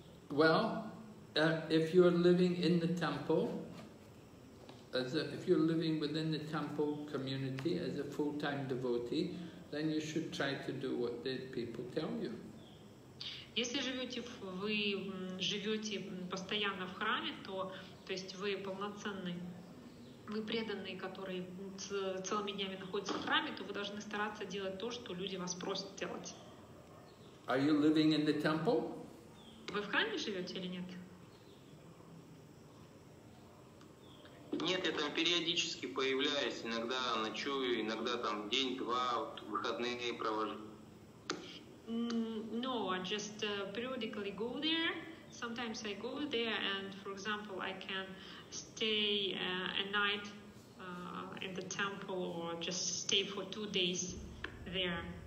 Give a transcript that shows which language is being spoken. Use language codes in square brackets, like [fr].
[en] Well, if you're living in the temple, if you're living within the temple community as a full-time devotee, then you should try to do what the people tell you. [ru] Если живете, вы живете постоянно в храме, то, то есть вы полноценный, вы преданный, который целыми днями находится в храме, то вы должны стараться делать то, что люди вас просят делать. [en] Are you living in the temple? [ru] Вы в храме живете или нет? Нет, я там периодически появляюсь, иногда ночую, иногда там день-два, вот, выходные провожу. [en] No, I just periodically go there. Sometimes I go there, and for example, I can stay a night in the temple, or just stay for 2 days there.